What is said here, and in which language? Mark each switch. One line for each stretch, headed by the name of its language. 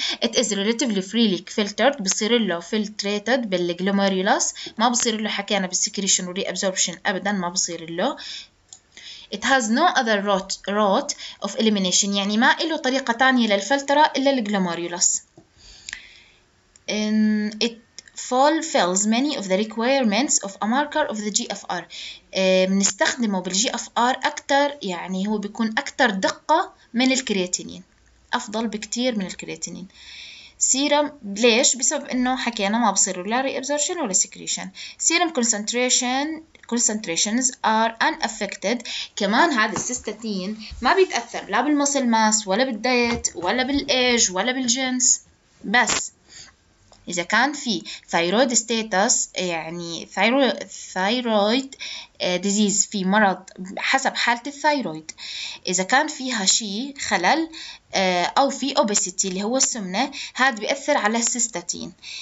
English: It is relatively freely filtered،
Arabic: بصير له filtrated بالglomerulus، ما بصير له حكينا بالsecretion وreabsorption أبدا ما بصير له.
English: It has no other route of elimination،
Arabic: يعني ما له طريقة تانية للفلترة إلا الglomerulus.
English: It fulfills many of the requirements of a marker of the GFR.
Arabic: بنستخدمه بالGFR أكتر، يعني هو بيكون أكتر دقة من الكرياتينين، أفضل بكتير من الكرياتينين. سيرم ليش؟ بسبب انه حكينا ما بصيروا لا reabsorption ولا secretion.
English: Serum concentrations are unaffected.
Arabic: كمان هذا السيستاتين ما بيتأثر لا بالمسل ماس ولا بالدايت ولا بالايج ولا بالجنس. بس إذا كان في thyroid status يعني thyroid disease في مرض حسب حالة الثايرويد، إذا كان فيها شيء خلل أو في obesity اللي هو السمنة، هذا بيأثر على السيستاتين.